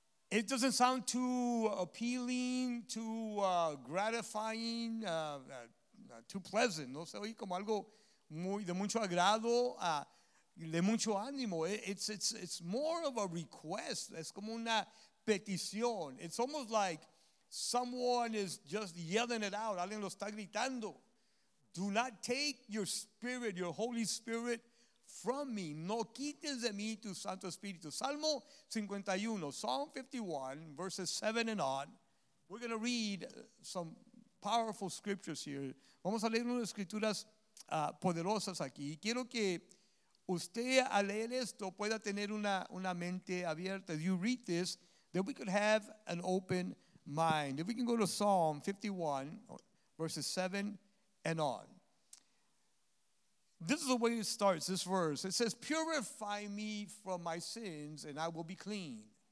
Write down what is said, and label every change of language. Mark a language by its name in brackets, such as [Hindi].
[English] It doesn't sound too appealing, too gratifying, too pleasant, [Spanish] no se oye como algo muy de mucho agrado, de mucho ánimo. [English] It's more of a request. [Spanish] Es como una petición. [English] It's almost like someone is just yelling it out. [Spanish] Alguien lo está gritando. [English] Do not take your spirit, your Holy Spirit, from me. [Spanish] No quites de mí tu Santo Espíritu. Salmo 51, [English] Psalm 51, verses 7 and on. We're going to read some powerful scriptures here. [Spanish] Vamos a leer unas escrituras poderosas aquí. Quiero que usted al leer esto pueda tener una mente abierta. [English] If you read this, then we could have an open mind. If we can go to Psalm 51, verses 7 and on. This is the way it starts, this verse. It says, purify me from my sins and I will be clean.